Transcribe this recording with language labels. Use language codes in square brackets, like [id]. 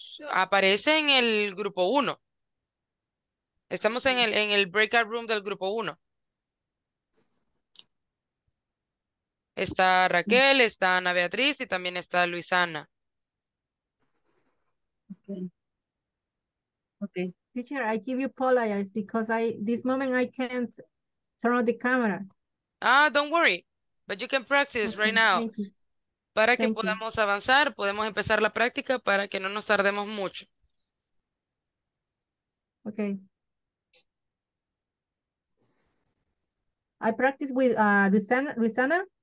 [es] Aparece en el grupo 1. Estamos en el breakout room del grupo 1. Está Raquel, está Ana Beatriz y también está Luisana. Okay. [en] Teacher, I give you apologies because this moment I can't turn on the camera. Ah, don't worry. But you can practice right now. Thank you. [es] Para que podamos avanzar, podemos empezar la práctica para que no nos tardemos mucho. Okay. [en] I practice with Rosanna.